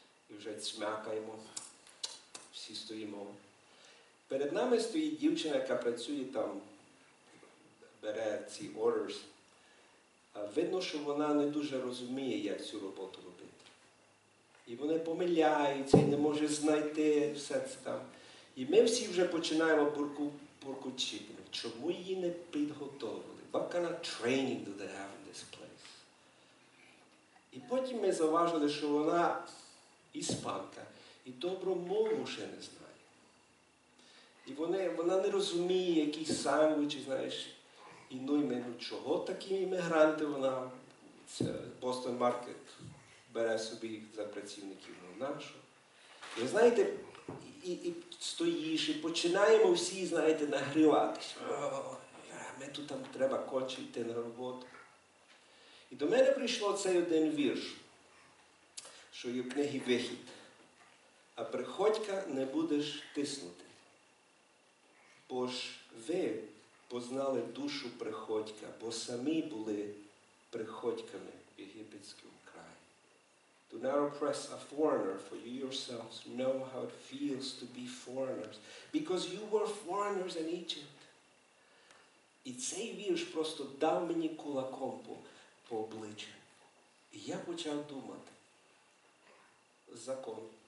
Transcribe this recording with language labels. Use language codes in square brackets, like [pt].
[uk] І вже цмякаємо. Всі стоїмо. Перед нами стоїть дівчина, яка працює там, бере ці orders. Видно, що вона не дуже розуміє, як цю роботу робити. І вони помиляються, і не може знайти все це там. І ми всі вже починаємо буркучити. Чому її не підготовили? [en] What kind of training do they have in this place? [uk] І потім ми зауважили, що вона іспанка. І добру мову ще не знає. І вона не розуміє, який сандвіч, знаєш, і ну і ми, ну чого такі іммігранти, вона Boston Market бере собі за працівників, ну нашу. Ви знаєте, і стоїш, і починаємо всі, знаєте, нагріватися. Ми тут там треба кочити на роботу. І до мене прийшло цей один вірш, що є в книгі «Вихід». А приходька не будеш тиснути, бо ж ви познали душу приходька, бо самі були приходьками в єгипетському краї. [en] Do not oppress a foreigner, for you yourselves know how it feels to be foreigners, because you were foreigners in Egypt. [uk] І цей вірш просто дав мені кулаком по обличчю. І я почав думати. Закон.